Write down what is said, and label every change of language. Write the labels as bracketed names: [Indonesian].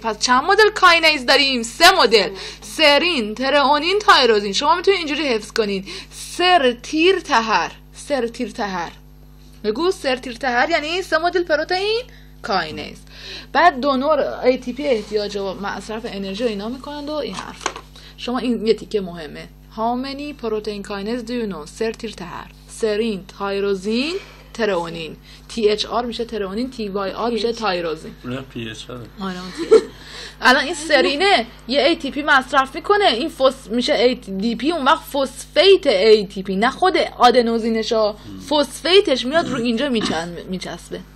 [Persian] پس چند مدل کاینیز داریم؟ سه مدل، سرین، ترئونین، تایروزین. شما میتونید اینجوری حفظ کنین سر تیر تهر، سر تیر تهر. بگو سر تیر تهر یعنی سه مدل پروتئین کاینیز. بعد دونور ای تی پی احتیاج و مصرف انرژی رو اینا میکنند و این حرف. شما این یه تیکه مهمه. [English] How many protein kinase do you know؟ [Persian] سر تیر تهر، سرین، تایروزین، ترئونین. تی اچ آر میشه ترئونین، تی وای آر میشه تایروزین. نه پی اچ آر. الان این سرینه یه ای تی پی مصرف میکنه، این فوس میشه ای دی پی، اون وقت فوسفیت ای تی پی، نه خود آدنوزینش ها، فوسفیتش میاد رو اینجا میچسبه.